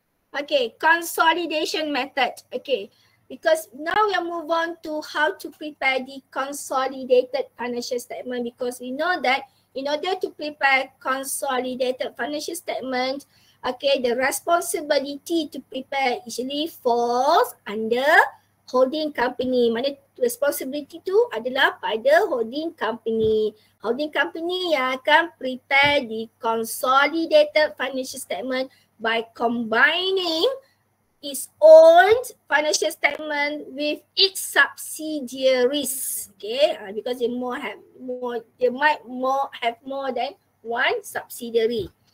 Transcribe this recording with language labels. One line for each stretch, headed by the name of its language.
English: Okay, consolidation method. Okay, because now we are move on to how to prepare the consolidated financial statement, because we know that in order to prepare consolidated financial statement, okay, the responsibility to prepare usually falls under holding company.
Malay: Mana responsibility tu adalah pada holding company.
English: Holding company
Malay: yang akan
English: prepare the consolidated financial statement by combining its own financial statement with its subsidiaries. Okay, because they more have more, they might more have more than one subsidiary.